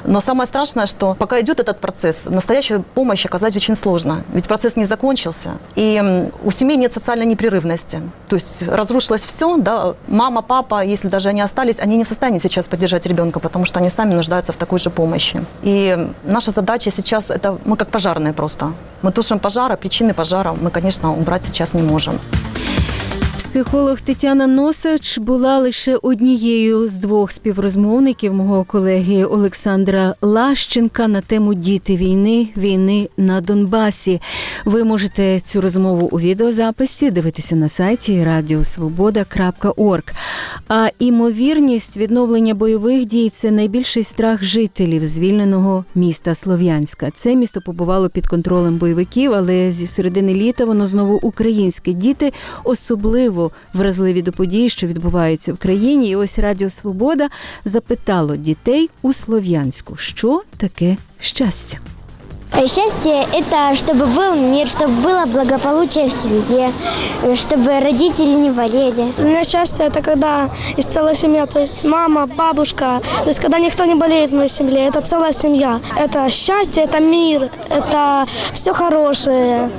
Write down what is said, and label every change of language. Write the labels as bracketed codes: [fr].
[ru] Но самое страшное, что пока идет этот процесс, настоящую помощь оказать очень сложно, ведь процесс не закончился, и у семей нет социальной непрерывности. То есть разрушилось все, да, мама, папа, если даже они остались, они не в состоянии сейчас поддержать ребенка, потому что они сами нуждаются в такой же помощи. И наша задача сейчас, это мы как пожарные просто. Мы тушим пожары, причины пожара мы, конечно, убрать сейчас не можем. [uk] Психолог Тетяна Носач була лише однією з двох співрозмовників мого колеги Олександра Лащенка на тему «Діти війни, війни на Донбасі». Ви можете цю розмову у відеозаписі дивитися на сайті radiosvoboda.org. А імовірність відновлення бойових дій – це найбільший страх жителів звільненого міста Слов'янська. Це місто побувало під контролем бойовиків, але зі середини літа воно знову українське. Діти особливо вразливі до подій, що відбуваються в країні. І ось Радіо Свобода запитало дітей у Слов'янську, що таке щастя. [ru] Щастя – это чтобы был мир, чтобы было благополучие в семье, чтобы родители не болели. У меня счастье – это когда есть целая семья, то есть мама, бабушка, то есть когда никто не болеет в моей семье, это целая семья. Это счастье – это мир, это все хорошее.